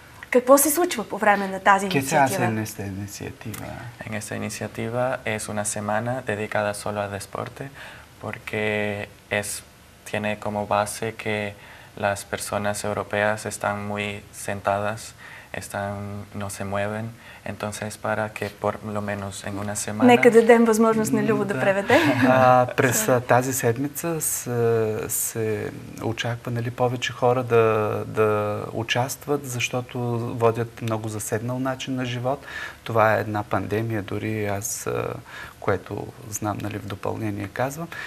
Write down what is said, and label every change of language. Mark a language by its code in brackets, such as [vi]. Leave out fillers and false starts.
[bg] Какво се случва по време на тази инициатива? [es] ¿Qué se hace en esta iniciativa? En esta iniciativa es una semana dedicada solo al deporte porque tiene como base que las personas europeas están muy sentadas están, no se mueven, entonces para que por lo menos en una semana... [bg] Нека дадем възможност на Любо да преведе. През тази седмица се очаква, нали, повече хора да участват, защото водят много заседнал начин на живот. Това е една пандемия, дори аз, което знам, нали, в допълнение казвам.